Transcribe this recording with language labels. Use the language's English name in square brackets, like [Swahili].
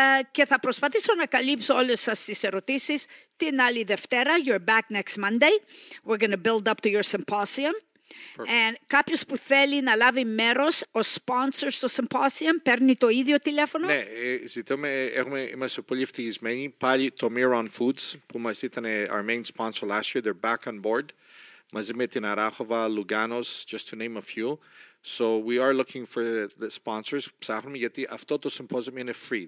[Greek] Και θα προσπαθήσω να καλύψω όλες σας τις ερωτήσεις την άλλη Δευτέρα. [English] You're back next Monday. We're going to build up to your symposium. [Greek] And κάποιος που θέλει να λάβει μέρος ως sponsor στο symposium, παίρνει το ίδιο τηλέφωνο? Ναι, είμαστε πολύ ευτυχισμένοι. Πάλι το Miron Foods, που μας ήταν [English] our main sponsor last year, they're back on board. [Greek] μαζί με την Αράχοβα, Λουγκάνος, [English] just to name a few. So we are looking for the sponsors, [Greek] ψάχνουμε, γιατί αυτό το symposium είναι free.